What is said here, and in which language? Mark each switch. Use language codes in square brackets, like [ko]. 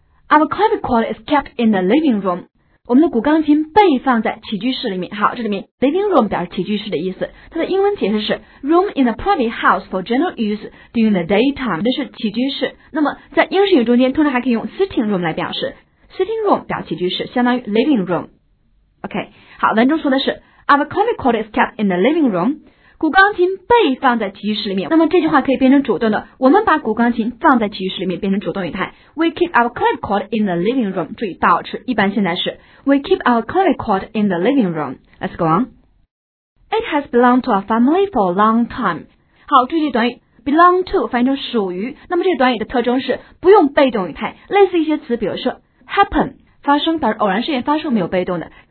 [en] Our clavichord is kept in the living room. [zh] 我们的古钢琴被放在起居室里面。好，这里面 living room 表示起居室的意思。它的英文解释是 [en] room in a private house for general use during the daytime. [zh] 这是起居室。那么在英式语中间，通常还可以用 sitting room 来表示。Sitting room 表起居室，相当于 living room. [en] OK, [zh] 好，文中说的是 [en] Our clavichord is kept in the living room. [zh] 古钢琴被放在起居室里面。那么这句话可以变成主动的，我们把古钢琴放在起居室里面，变成主动语态。 [en] We keep our clavichord in the living room. [zh] 注意倒置，一般现在是 [en] We keep our clavichord in the living room. Let's go on. It has belonged to our family for a long time. [zh] 好，注意这短语。Belong to 翻译成属于，那么这短语的特征是不用被动语态，类似一些词，比如说Happen, 发生，表示偶然事件发生，没有被动的。